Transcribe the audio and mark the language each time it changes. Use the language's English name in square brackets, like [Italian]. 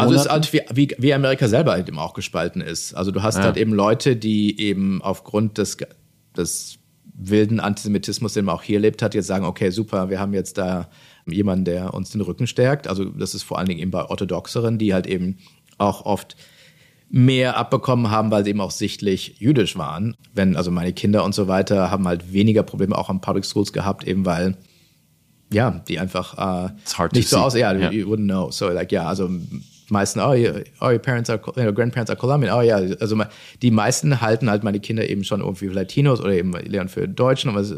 [German] Also es ist halt wie Amerika selber halt eben auch gespalten ist. Also du hast halt eben Leute, die eben aufgrund des wilden Antisemitismus, den man auch hier erlebt hat, jetzt sagen, okay, super, wir haben jetzt da jemanden, der uns den Rücken stärkt. Also das ist vor allen Dingen eben bei Orthodoxeren, die halt eben auch oft mehr abbekommen haben, weil sie eben auch sichtlich jüdisch waren. Wenn also meine Kinder und so weiter haben halt weniger Probleme auch an Public Schools gehabt, eben weil, ja, die einfach nicht so aussehen. [English] Yeah, yeah. You wouldn't know. So like, ja, yeah, [German] also meisten, [English] grandparents are Colombian, oh ja, yeah. [German] Also die meisten halten halt meine Kinder eben schon irgendwie für Latinos oder eben lernen für Deutschen.